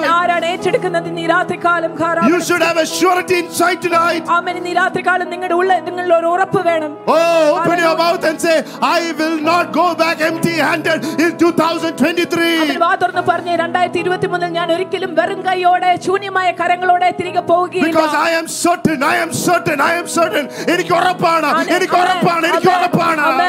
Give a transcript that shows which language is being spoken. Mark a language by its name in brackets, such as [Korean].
[Malayalam] അമ്മ, ആരാണ് ഏറ്റെടുക്കുന്നത് ഈ രാത്രികാലം? [English] You should have a surety inside tonight. [Malayalam] അമ്മ, രാത്രികാലം നിങ്ങളുടെ ഉള്ളിൽ നിങ്ങളുടെ ഒരു ഉറപ്പ് വേണം. [English] Oh, open your mouth and say, I will not go back empty-handed in 2023. [Malayalam] ഞാൻ ഒരിക്കലും വെറും കൈയോടെ ശൂന്യമായ കരങ്ങളോടെ തിരികെ പോവുകയില്ല. [English] Because I am certain, I am certain, I am certain. [Malayalam] എനിക്ക് ഉറപ്പാണ്, എനിക്ക് ഉറപ്പാണ്, എനിക്ക് ഉറപ്പാണ്.